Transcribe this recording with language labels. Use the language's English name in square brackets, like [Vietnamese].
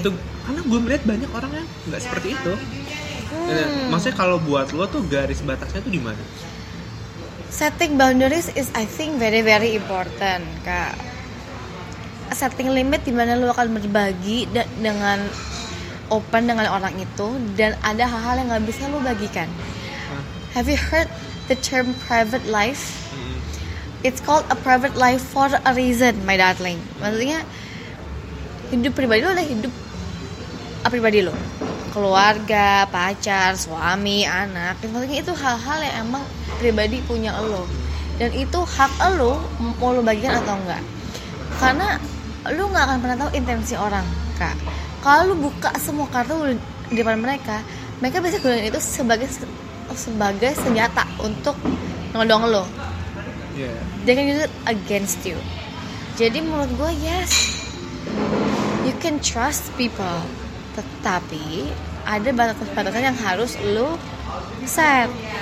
[Indonesian] Itu karena gue melihat banyak orang yang nggak seperti itu. Maksudnya kalau buat lo tuh garis batasnya tuh di mana? [English] Setting boundaries is I think very very important, Kak. Setting limit [Indonesian] di mana lo akan berbagi dengan open dengan orang itu, dan ada hal-hal yang nggak bisa lo bagikan. Huh? [English] Have you heard the term private life? It's called a private life for a reason, my darling. [Indonesian] Maksudnya hidup pribadi lo adalah hidup pribadi lo, keluarga, pacar, suami, anak. Maksudnya itu hal-hal yang emang pribadi punya lo, dan itu hak lo mau lo bagikan atau enggak. Karena lo nggak akan pernah tahu intensi orang, Kak. Kalau lo buka semua kartu di depan mereka bisa gunain itu sebagai sebagai senjata untuk nodong lo. [English] Yeah. They can use it against you. [Indonesian] Jadi menurut gue, [English] yes, you can trust people. [Indonesian] Tetapi ada batasan-batasan yang harus lo set.